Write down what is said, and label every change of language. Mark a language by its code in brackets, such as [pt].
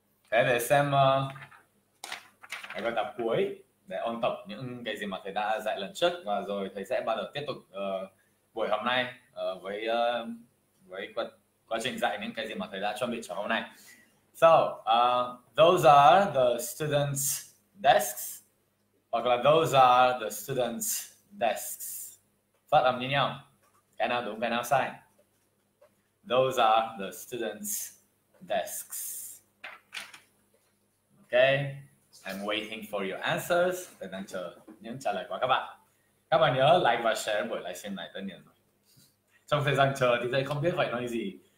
[vi] Thế để xem cái bài tập cuối. Để ôn tập những cái gì mà thầy đã dạy lần trước, và rồi thầy sẽ bắt đầu tiếp tục buổi hôm nay với quá trình dạy những cái gì mà thầy đã chuẩn bị cho hôm nay. [en] So, those are the students' desks, hoặc là those are the students' desks. [vi] Phát âm như nhau, cái nào đúng, cái nào sai. Those are the students' desks. Okay. I'm waiting for your answers. Tôi đang chờ những trả lời của các bạn. Các bạn nhớ like và share buổi livestream này tất nhiên rồi. Trong thời gian chờ thì tôi không biết phải nói gì.